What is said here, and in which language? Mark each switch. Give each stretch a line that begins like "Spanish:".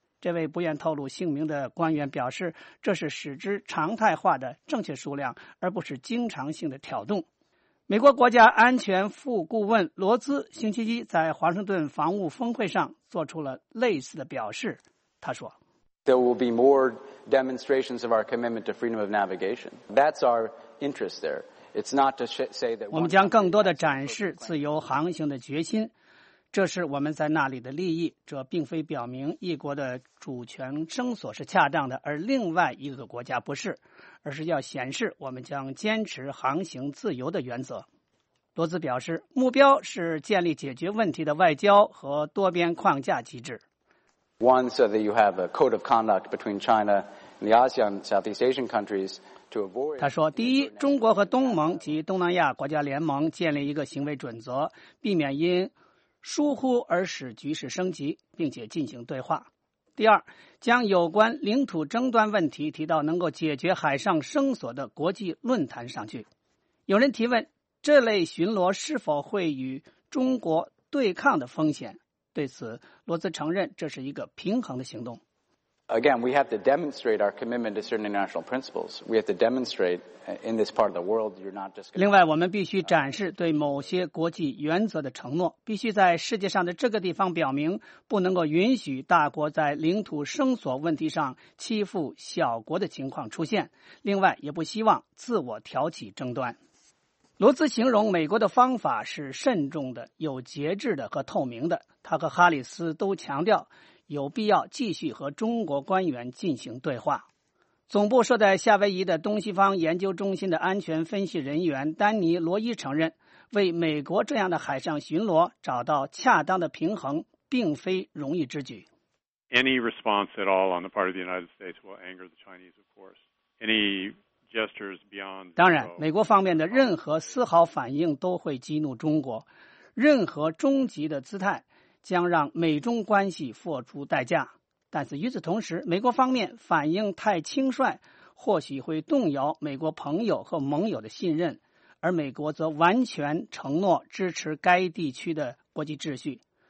Chinese: 这位不愿透露姓名的官员表示，这是使之常态化的正确数量，而不是经常性的挑动。美国国家安全副顾问罗兹星期一在华盛顿防务峰会上做出了类似的表示。他说
English: There will be more demonstrations of our commitment to freedom of navigation. That's our interest there. It's not to say that
Chinese: 我们将更多的展示自由航行的决心，这是我们在那里的利益，这并非表明一国的主权声索是恰当的，而另外一个国家不是，而是要显示我们将坚持航行自由的原则。罗兹表示，目标是建立解决问题的外交和多边框架机制。
English: One, so that you have a code of conduct between China and the ASEAN Southeast Asian countries to avoid.
Chinese: 他说，第一，中国和东盟及东南亚国家联盟建立一个行为准则，避免因疏忽而使局势升级，并且进行对话。第二，将有关领土争端问题提到能够解决海上声索的国际论坛上去。有人提问，这类巡逻是否会与中国对抗的风险？对此，罗兹承认这是一个平衡的行动。
English: Again, we have to demonstrate our commitment to certain international principles. We have to demonstrate in this part of the world you're not just.
Chinese: 另外，我们必须展示对某些国际原则的承诺，必须在世界上的这个地方表明，不能够允许大国在领土声索问题上欺负小国的情况出现。另外，也不希望自我挑起争端。罗兹形容美国的方法是慎重的、有节制的和透明的。他和哈里斯都强调有必要继续和中国官员进行对话。总部设在夏威夷的东西方研究中心的安全分析人员丹尼·罗伊承认，为美国这样的海上巡逻找到恰当的平衡并非容易之举。
English: Any response at all on the part of the United States will anger the Chinese, of course. Any gestures beyond.
Chinese: 当然，美国方面的任何丝毫反应都会激怒中国，任何终极的姿态将让美中关系付出代价。但是与此同时，美国方面反应太轻率，或许会动摇美国朋友和盟友的信任，而美国则完全承诺支持该地区的国际秩序。